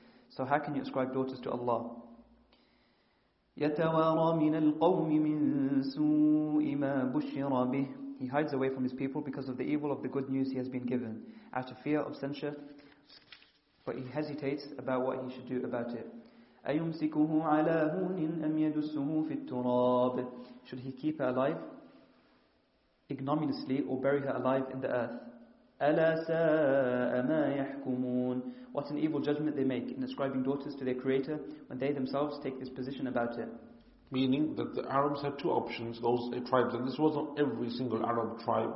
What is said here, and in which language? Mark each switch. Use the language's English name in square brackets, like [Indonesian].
[English] So how can you ascribe daughters to Allah? [Arabic] يَتَوَارَى مِنَ الْقَوْمِ مِنْ سُوءِ مَا بُشِّرَ بِهِ. [English] He hides away from his people because of the evil of the good news he has been given, out of fear of censure, but he hesitates about what he should do about it. [Arabic] أَيُمْسِكُهُ عَلَىٰ هُونٍ أَمْ يَدُسُّهُ فِي التُّرَابِ. [English] Should he keep her alive ignominiously or bury her alive in the earth? [Arabic] أَلَا سَاءَ مَا يَحْكُمُونَ. [English] What an evil judgment they make in ascribing daughters to their Creator when they themselves take this position about it. Meaning that the Arabs had two options, those tribes, and this wasn't every single Arab tribe.